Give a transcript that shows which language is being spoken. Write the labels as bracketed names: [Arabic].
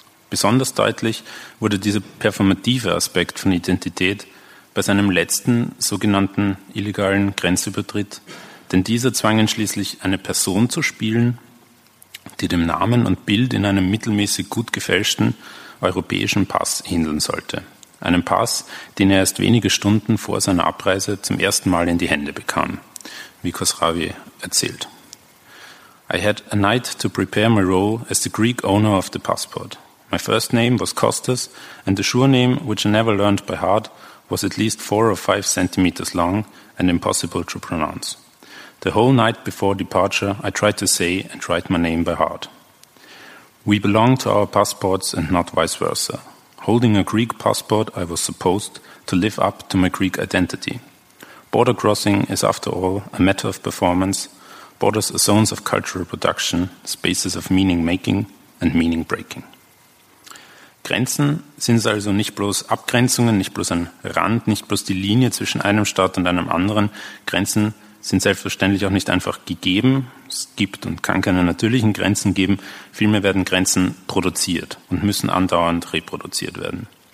[German] Besonders deutlich wurde dieser performative Aspekt von Identität bei seinem letzten sogenannten illegalen Grenzübertritt, denn dieser zwang ihn schließlich, eine Person zu spielen, die dem Namen und Bild in einem mittelmäßig gut gefälschten europäischen Pass ähneln sollte. Einen Pass, den er erst wenige Stunden vor seiner Abreise zum ersten Mal in die Hände bekam, wie Khosravi erzählt. [English] I had a night to prepare my role as the Greek owner of the passport. My first name was Kostas, and the surname, which I never learned by heart, was at least 4 or 5 centimeters long and impossible to pronounce. The whole night before departure, I tried to say and write my name by heart. We belong to our passports and not vice versa. Holding a Greek passport, I was supposed to live up to my Greek identity. Border crossing is, after all, a matter of performance. Borders are zones of cultural production, spaces of meaning making and meaning breaking. [German] Grenzen sind also nicht bloß Abgrenzungen, nicht bloß ein Rand, nicht bloß die Linie zwischen einem Staat und einem anderen. Grenzen sind selbstverständlich auch nicht einfach gegeben. Es gibt und kann keine natürlichen Grenzen geben. Vielmehr werden Grenzen produziert und müssen andauernd reproduziert werden.